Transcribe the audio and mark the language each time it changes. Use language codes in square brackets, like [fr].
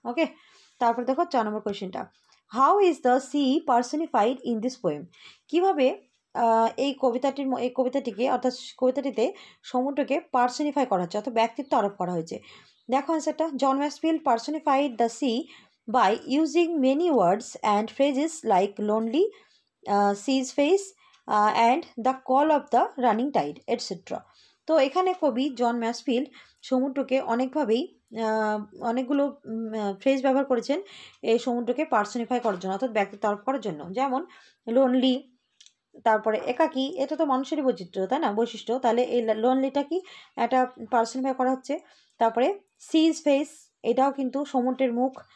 [bn] ওকে, তারপরে দেখো 4 নম্বর কোয়েশ্চেনটা, [en] how is the sea personified in this poem, [bn] কীভাবে এই কবিতাটিকে অর্থাৎ কবিতাটিতে সমুদ্রকে পার্সনিফাই করা হচ্ছে অর্থাৎ ব্যক্তিত্ব আরোপ করা হয়েছে। দেখো অ্যান্সারটা, জন Maxwell personified the sea [en] by using many words and phrases like lonely, sea's face, and the call of the running tide, etc. [bn] তো এখানে কবি জন ম্যাসফিল্ড সমুদ্রকে অনেকভাবেই অনেকগুলো ফ্রেজ ব্যবহার করেছেন এই সমুদ্রকে পার্সোনিফাই করার জন্য, অর্থাৎ ব্যক্তিত্ব করার জন্য। যেমন লোনলি, তারপরে একাকি, এটা তো মানুষেরই বৈচিত্র্য, তাই না, বৈশিষ্ট্য। তাহলে এই লোনলিটা কি একটা পার্সোনিফাই করা হচ্ছে। তারপরে সিজ ফেস, এটাও কিন্তু সমুদ্রের মুখ।